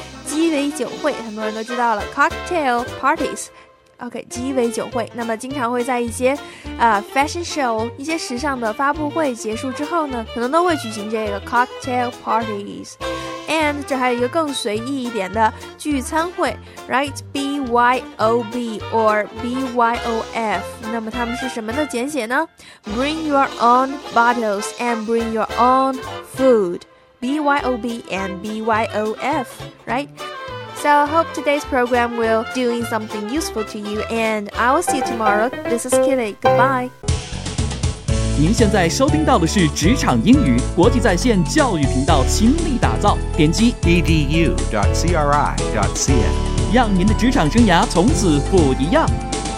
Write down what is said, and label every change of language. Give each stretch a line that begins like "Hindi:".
Chinese: 鸡尾酒会，很多人都知道了 cocktail parties, OK, 鸡尾酒会。那么经常会在一些fashion show, 一些时尚的发布会结束之后呢，可能都会举行这个 cocktail parties。 And 这还有一个更随意一点的聚餐会 ，right?
English: BYOB or BYOF. 那么他们是什么的简写呢 ？ Bring your own bottles and bring your own food. BYOB and BYOF, right? So I hope today's program will doing something useful to you. And I will see you tomorrow. This is Kelly. Goodbye.
Chinese: 您现在收听到的是职场英语国际在线教育频道倾力打造，点击
English: edu.cri.cn
Chinese: 让您的职场生涯从此不一样。